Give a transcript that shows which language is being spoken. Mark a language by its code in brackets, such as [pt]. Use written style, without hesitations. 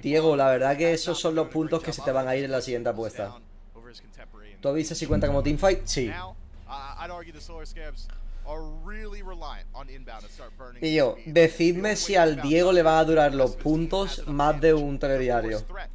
[es] Diego, la verdad que esos son los puntos que se te van a ir en la siguiente apuesta. ¿Tú avisas si cuenta como teamfight? Sí. [en] I'd argue the Solar Scarabs are really reliant on inbound to start burning. [es] Y yo, decidme si al Diego le va a durar los puntos más de un telediario.